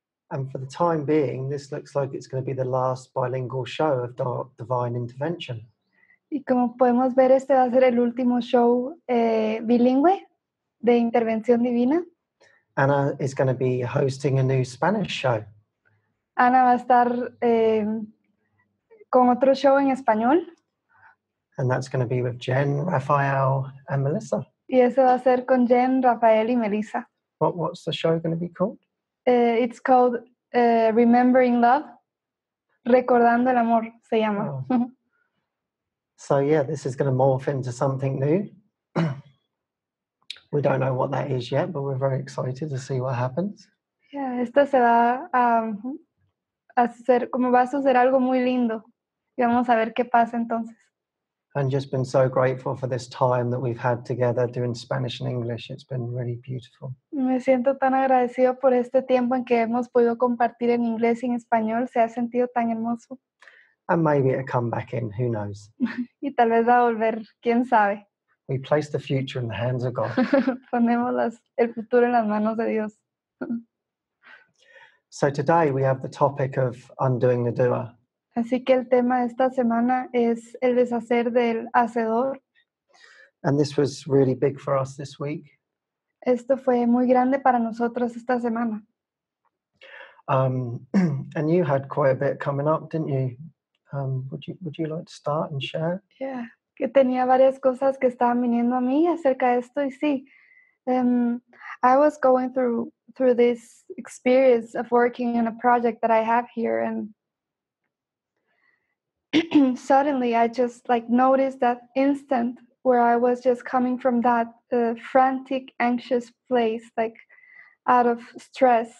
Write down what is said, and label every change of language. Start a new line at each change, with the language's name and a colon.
English: And for the time being, this looks like it's going to be the last bilingual show of Divine Intervention.
Spanish: Y como podemos ver, este va a ser el último show bilingüe de Intervención Divina.
English: Ana is going to be hosting a new Spanish show.
Spanish: Ana va a estar con otro show en español.
English: And that's going to be with Jen, Rafael, and Melissa.
Spanish: Y eso va a ser con Jen, Rafael y Melissa.
English: What's the show going to be called? It's called Remembering Love.
Spanish: Recordando el amor, se llama.
English: Oh. So yeah, this is going to morph into something new. We don't know what that is yet, but we're very excited to see what happens.
Spanish: Yeah, esto se va a hacer, como va a suceder algo muy lindo. Y vamos a ver qué pasa entonces.
English: And just been so grateful for this time that we've had together doing Spanish and English. It's been really beautiful.
Spanish: Me siento tan agradecido por este tiempo en que hemos podido compartir en inglés y en español. Se ha sentido tan hermoso.
English: And maybe it'll come back in. Who knows?
Spanish: Y tal vez va a volver. ¿Quién sabe?
English: We place the future in the hands of God.
Spanish: Ponemos el futuro en las manos de Dios.
English: So today we have the topic of undoing the doer.
Spanish: Así que el tema de esta semana es el deshacer del hacedor.
English: And this was really big for us this week.
Spanish: Esto fue muy grande para nosotros esta semana.
English: And you had quite a bit coming up, didn't you? Would you like to start and share?
Spanish: Yeah, que tenía varias cosas que estaban viniendo a mí acerca de esto y sí.
English: I was going through this experience of working in a project that I have here and suddenly I just like noticed that instant where I was just coming from that frantic, anxious place, like out of stress.